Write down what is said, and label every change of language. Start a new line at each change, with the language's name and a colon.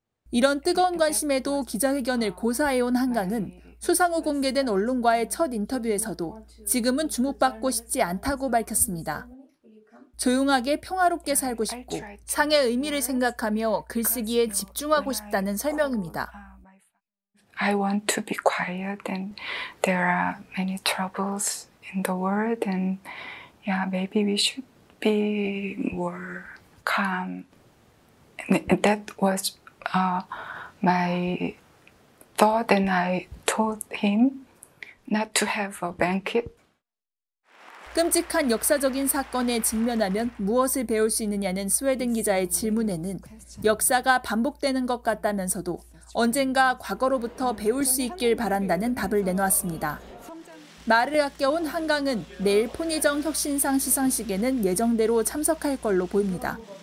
Korean: 이런 뜨거운 관심에도 기자회견을 고사해온 한강은 수상 후 공개된 언론과의 첫 인터뷰에서도 지금은 주목받고 싶지 않다고 밝혔습니다. 조용하게 평화롭게 살고 싶고 상의 의미를 생각하며 글쓰기에 집중하고 싶다는 설명입니다.
English: I want to be quiet and there are many troubles in the world and yeah, maybe we should be more calm. And that was my thought and I told him not to have a banquet.
Korean: 끔찍한 역사적인 사건에 직면하면 무엇을 배울 수 있느냐는 스웨덴 기자의 질문에는 역사가 반복되는 것 같다면서도 언젠가 과거로부터 배울 수 있길 바란다는 답을 내놓았습니다. 말을 아껴온 한강은 내일 폰희정 혁신상 시상식에는 예정대로 참석할 걸로 보입니다.